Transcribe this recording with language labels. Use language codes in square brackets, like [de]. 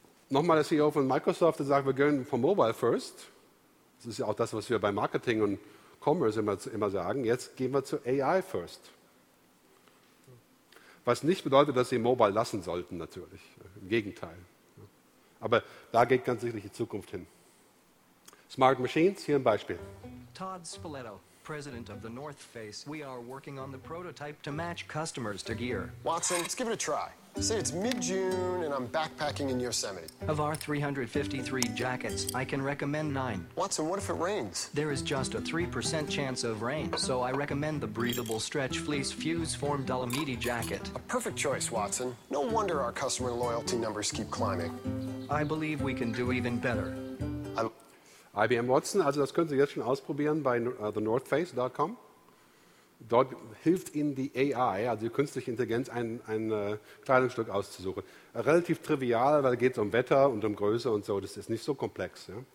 [de] Nochmal der CEO von Microsoft, der sagt, wir gehen vom Mobile first. Das ist ja auch das, was wir bei Marketing und Commerce immer sagen. Jetzt gehen wir zu AI first. Was nicht bedeutet, dass Sie Mobile lassen sollten, natürlich. Im Gegenteil. Aber da geht ganz sicherlich die Zukunft hin. Smart Machines, hier ein Beispiel. [en] Todd Spoleto, President of the North Face. We are working on the prototype to match customers to gear. Watson, let's give it a try. Say it's mid-June and I'm backpacking in Yosemite. Of our 353 jackets, I can recommend 9. Watson, what if it rains? There is just a 3% chance of rain, so I recommend the breathable stretch fleece fuse form Dolomiti jacket. A perfect choice, Watson. No wonder our customer loyalty numbers keep climbing. I believe we can do even better. [de] IBM Watson, also das können Sie jetzt schon ausprobieren bei thenorthface.com. Dort hilft Ihnen die AI, also die künstliche Intelligenz, ein Kleidungsstück auszusuchen. Relativ trivial, weil es geht um Wetter und um Größe und so, das ist nicht so komplex. Ja.